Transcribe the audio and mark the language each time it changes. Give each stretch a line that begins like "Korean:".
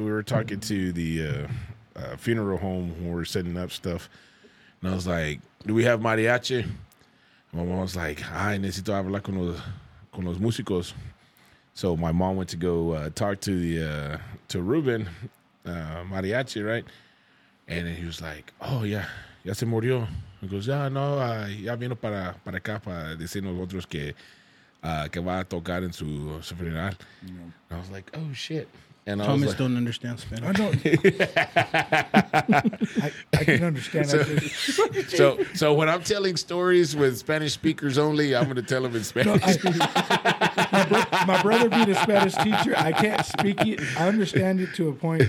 English: We were talking to the funeral home when we were setting up stuff. And I was like, do we have mariachi? My mom was like,
Spanish: ay, necesito hablar con los músicos.
English: So my mom went to go talk to to Ruben, mariachi, right? And then he was like, oh, yeah,
Spanish: ya se murió.
English: He goes,
Spanish: ya, no, ya vino para acá para decir nosotros que va a tocar en su funeral.
English: Yeah. I was like, oh, shit. And Thomas I was like, don't understand Spanish. I don't. I can understand. So when I'm telling stories with Spanish speakers only, I'm going to tell them in Spanish. my brother being a Spanish teacher, I can't speak it. I understand it to a point.